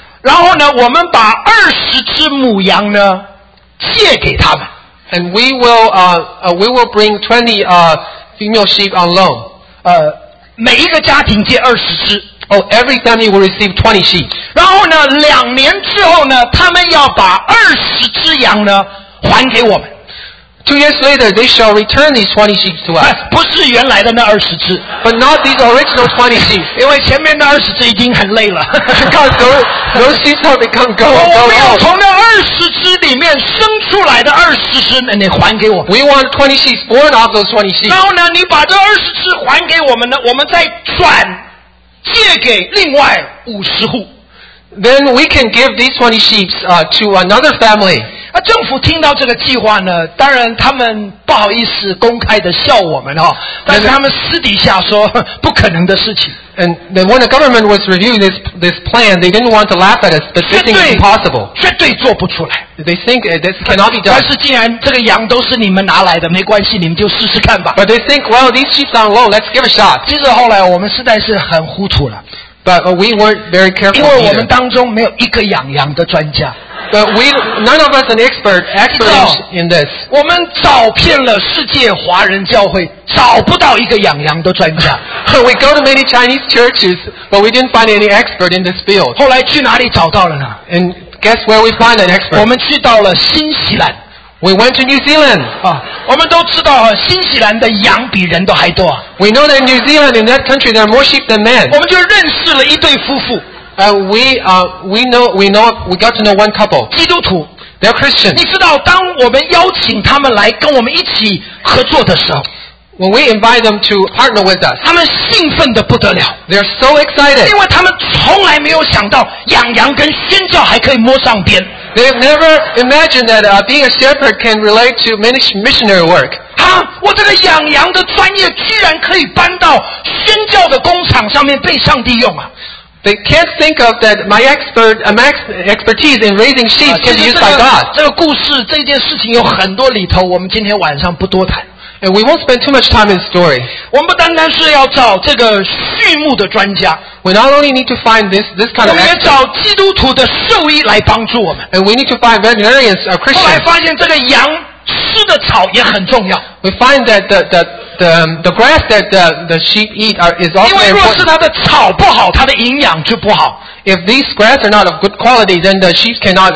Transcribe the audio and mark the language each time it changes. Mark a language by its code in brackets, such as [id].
[zh] 然后呢，我们把20只母羊呢借给他们。 [en] And we will bring 20 female sheep on loan. [zh] 每一个家庭借20只。 [en] Oh, every family will receive 20 sheep. [zh] 然后呢，2年之后呢，他们要把20只羊呢还给我们。 [en] 2 years later, they shall return these 20 sheep to us. [zh] 不是原来的那20只。 [en] But not these original 20 sheep. [zh] 因为前面那20只已经很累了。 [en] Because those sheep have become go, go, go. [zh] 我们要从那20只里面生出来的20只，那你还给我。 [en] We want 20 sheep born of those 20 sheep. [zh] 然后呢，你把这20只还给我们呢，我们再转借给另外50户。 [en] Then we can give these 20 sheep to another family. [zh] 啊，政府听到这个计划呢，当然他们不好意思公开的笑我们哈，但是他们私底下说不可能的事情。 [en] And then when the government was reviewing this plan, they didn't want to laugh at us, but they think it's impossible. [zh] 绝对做不出来。 [en] They think this cannot be done. [zh] 但是既然这个羊都是你们拿来的，没关系，你们就试试看吧。 [en] But they think, well, these sheep are low. Let's give a shot. [zh] 其实后来我们实在是很糊涂了。 [en] But we weren't very careful. [zh] 因为我们当中没有一个养羊的专家。 [en] But we none of us an expert in this. [zh] 我们找遍了世界华人教会，找不到一个养羊的专家。 [en] We go to many Chinese churches, but we didn't find any expert in this field. [zh] 后来去哪里找到了呢 [en] ？And guess where we find an expert? [zh] 我们去到了新西兰。 [en] We went to New Zealand. [zh] 我们都知道新西兰的羊比人都还多。 [en] We know that in New Zealand, in that country, there are more sheep than men. [zh] 我们就认识了一对夫妇。 [en] We got to know one couple. [zh] 基督徒。 [en] They're Christians. [zh] 你知道，当我们邀请他们来跟我们一起合作的时候。 [en] When we invite them to partner with us, [zh] 他们兴奋得不得了。 [en] They're so excited. [zh] 因为他们从来没有想到养羊跟宣教还可以摸上边。 [en] They've never imagined that being a shepherd can relate to missionary work. [zh] 啊，我这个养羊的专业居然可以搬到宣教的工厂上面被上帝用啊。 [en] They can't think of that my expertise in raising sheep can be used by God. [zh] 这个故事，这件事情有很多里头，我们今天晚上不多谈。 [en] And we won't spend too much time in the story. [zh] 我们不单单是要找这个畜牧的专家。 [en] We not only need to find this kind of expert. [zh] 我们也找基督徒的兽医来帮助我们。 [en] And we need to find veterinarians, Christians. [zh] 后来发现这个羊吃的草也很重要。 [en] We find that the grass that the sheep eat is also important. [zh] 因为若是它的草不好，它的营养就不好。 [en] If these grass are not of good quality, then the sheep cannot.